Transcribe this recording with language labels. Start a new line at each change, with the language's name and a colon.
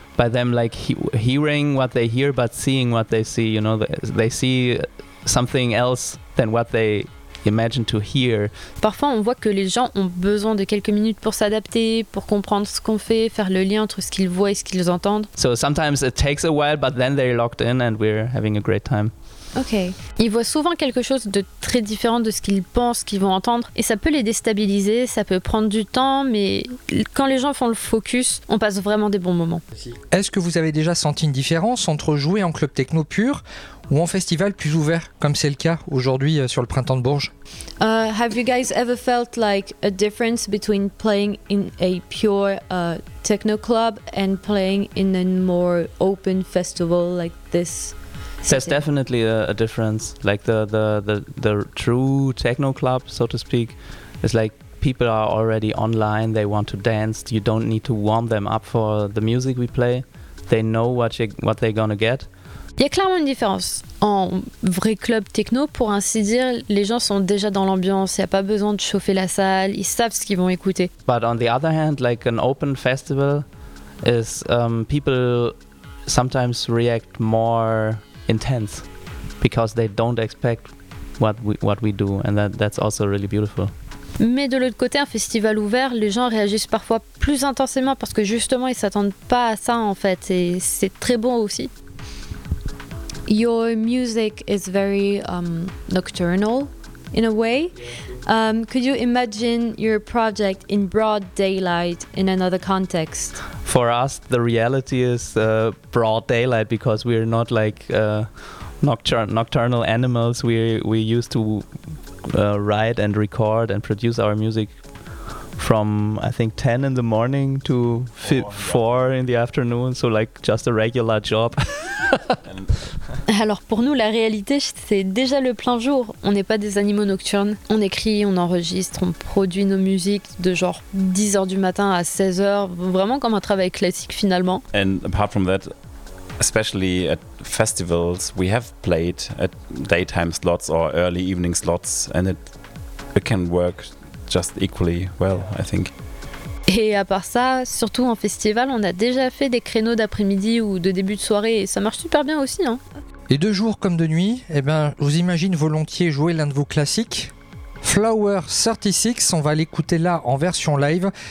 English: By them like hearing what they hear, but seeing what they see. You know, they see something else than what they imagine to hear.
French: Parfois, on voit que les gens ont besoin de quelques minutes pour s'adapter, pour comprendre ce qu'on fait, faire le lien entre ce qu'ils voient et ce qu'ils entendent.
English: So sometimes it takes a while, but then they're locked in and we're having a great time. Ok.
French: Ils voient souvent quelque chose de très différent de ce qu'ils pensent qu'ils vont entendre et ça peut les déstabiliser, ça peut prendre du temps, mais quand les gens font le focus, on passe vraiment des bons moments. Est-ce que vous avez déjà senti une différence entre jouer en club techno pur ou en festival plus ouvert, comme c'est le cas aujourd'hui sur le printemps de Bourges?
English: Have you guys ever felt like a difference between playing in a pure techno club and playing in a more open festival like this? There's definitely a difference. Like the true techno club, so to speak, is like people are already online. They want to dance. You don't need to warm them up for the music we play. They know what they're gonna get.
French: Il y a clairement une différence. En vrai club techno, pour ainsi dire, les gens sont déjà dans l'ambiance. Il y a pas besoin de chauffer la salle. Ils savent ce qu'ils vont écouter.
English: But on the other hand, like an open festival, is people sometimes react more intense because they don't expect what we do, and that's also really beautiful.
French: Mais de l'autre côté, un festival ouvert, les gens réagissent parfois plus intensément parce que justement ils s'attendent pas à ça en fait, et c'est très bon aussi.
English: Your music is very nocturnal in a way. Could you imagine your project in broad daylight in another context? For us, the reality is broad daylight because we're not like nocturnal animals. We used to write and record and produce our music from, I think, 10 in the morning to 4 in the afternoon. So like just a regular job.
French: Alors pour nous, la réalité, c'est déjà le plein jour. On n'est pas des animaux nocturnes. On écrit, on enregistre, on produit nos musiques de genre 10h du matin à 16h, vraiment comme un travail classique finalement.
English: And apart from that, especially at festivals, we have played at daytime slots or early evening slots, and it can work just equally well, I think.
French: Et à part ça, surtout en festival, on a déjà fait des créneaux d'après-midi ou de début de soirée et ça marche super bien aussi, hein. Et de jour comme de nuit, eh ben, je vous imagine volontiers jouer l'un de vos classiques. Flower 36, on va l'écouter là en version live.